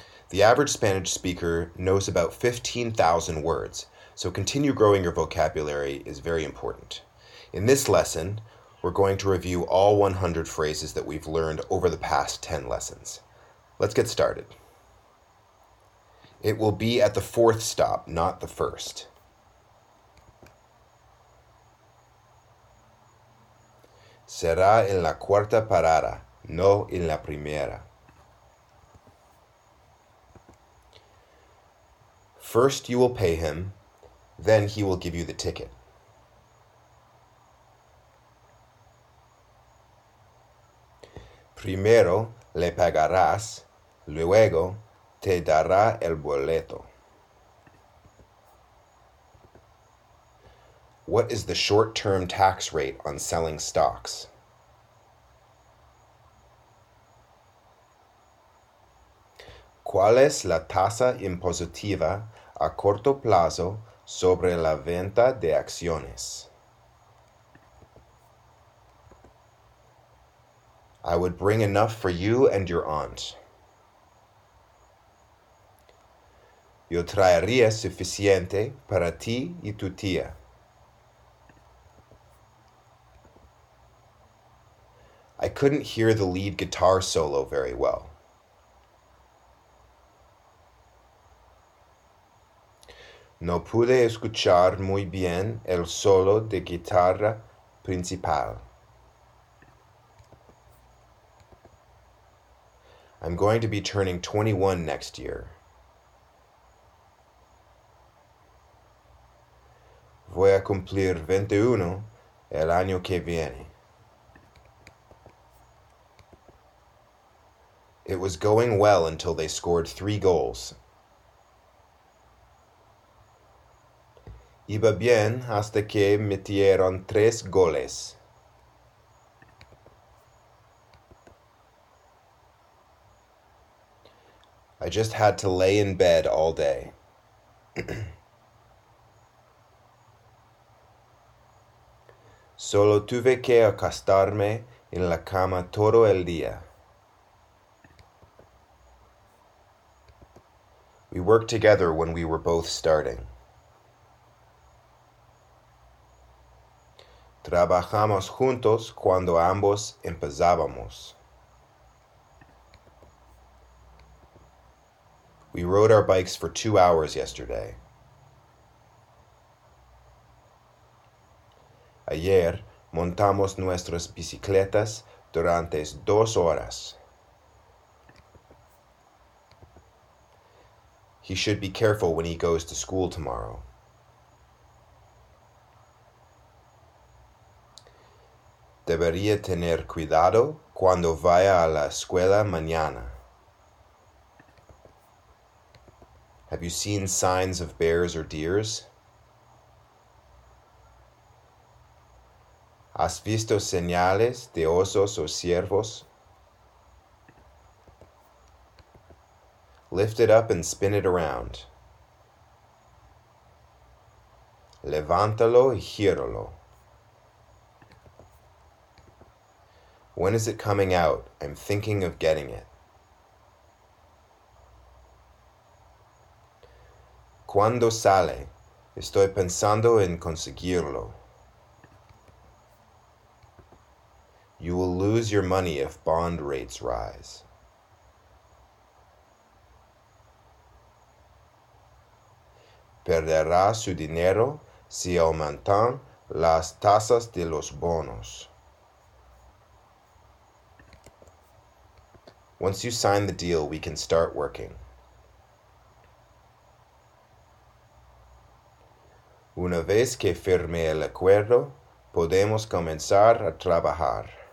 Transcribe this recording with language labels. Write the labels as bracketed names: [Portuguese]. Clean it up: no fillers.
[English] The average Spanish speaker knows about 15,000 words, so continue growing your vocabulary is very important. In this lesson, we're going to review all 100 phrases that we've learned over the past 10 lessons. Let's get started. It will be at the fourth stop, not the first. [Spanish] Será en la cuarta parada, no en la primera. [English] First you will pay him, then he will give you the ticket. [Spanish] Primero le pagarás, luego te dará el boleto. [English] What is the short-term tax rate on selling stocks? [Spanish] ¿Cuál es la tasa impositiva a corto plazo sobre la venta de acciones? [English] I would bring enough for you and your aunt. [Spanish] Yo traería suficiente para ti y tu tía. [English] I couldn't hear the lead guitar solo very well. [Spanish] No pude escuchar muy bien el solo de guitarra principal. [English] I'm going to be turning 21 next year. [Spanish] Voy a cumplir 21 el año que viene. [English] It was going well until they scored 3 goals. [Spanish] Iba bien hasta que metieron 3 goles. [English] I just had to lay in bed all day. [Spanish] Solo tuve que acostarme en la cama todo el día. [English] We worked together when we were both starting. [Spanish] Trabajamos juntos cuando ambos empezábamos. [English] We rode our bikes for 2 hours yesterday. [Spanish] Ayer montamos nuestras bicicletas durante 2 horas. [English] He should be careful when he goes to school tomorrow. [Spanish] Debería tener cuidado cuando vaya a la escuela mañana. [English] Have you seen signs of bears or deers? [Spanish] ¿Has visto señales de osos o ciervos? [English] Lift it up and spin it around. [Spanish] Levántalo y gíralo. [English] When is it coming out? I'm thinking of getting it. [Spanish] ¿Cuándo sale? Estoy pensando en conseguirlo. [English] You will lose your money if bond rates rise. [Spanish] Perderá su dinero si aumentan las tasas de los bonos. [English] Once you sign the deal, we can start working. [Spanish] Una vez que firme el acuerdo, podemos comenzar a trabajar.